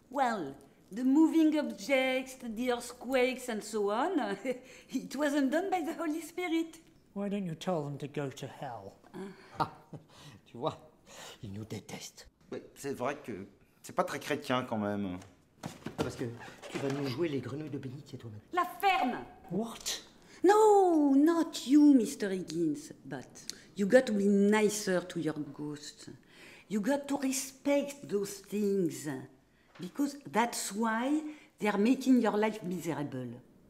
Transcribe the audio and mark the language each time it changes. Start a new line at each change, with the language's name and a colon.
English: Well, the moving objects, the earthquakes, and so on, it wasn't done by the Holy Spirit. Why don't you tell them to go to hell?
French: Tu vois, ils nous détestent. Mais c'est vrai que c'est pas très chrétien quand même. Parce que tu vas nous jouer les grenouilles de bénitier toi-même. La ferme!
English: What? No, not you, Mr. Higgins, but you got to be nicer to your ghost. You got to respect those things. Because that's why they're making your life miserable.